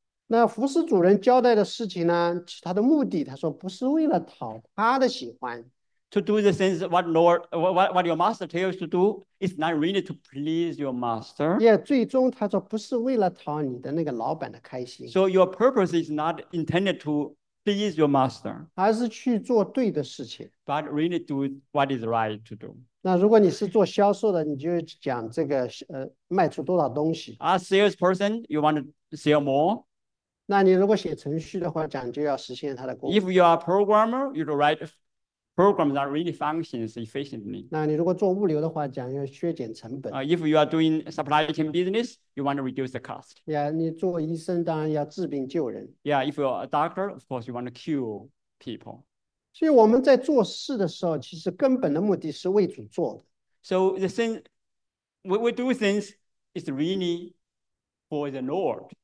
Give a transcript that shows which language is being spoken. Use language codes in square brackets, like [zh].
[zh] 那服侍主人交代的事情呢？他的目的，他说不是为了讨他的喜欢。 [en] To do the things what your master tells you to do is not really to please your master. [zh] Yeah, 最终他说不是为了讨你的那个老板的开心。 [en] So your purpose is not intended to please your master. [zh] 而是去做对的事情。 [en] But really do what is right to do. [zh] 那如果你是做销售的，你就讲这个卖出多少东西。 [en] A sales person, you want to sell more. [zh] 那你如果写程序的话，讲就要实现它的功能。 [en] If you are a programmer, you write. Program that really functions efficiently. [zh] 那你如果做物流的话，讲要削减成本。 [en] If you are doing supply chain business, you want to reduce the cost. [zh] Yeah, 你做医生当然要治病救人。 [en] Yeah, if you are a doctor, of course you want to cure people. [zh] 所以我们在做事的时候，其实根本的目的是为主做的。 [en] So the thing we do things is really for the Lord.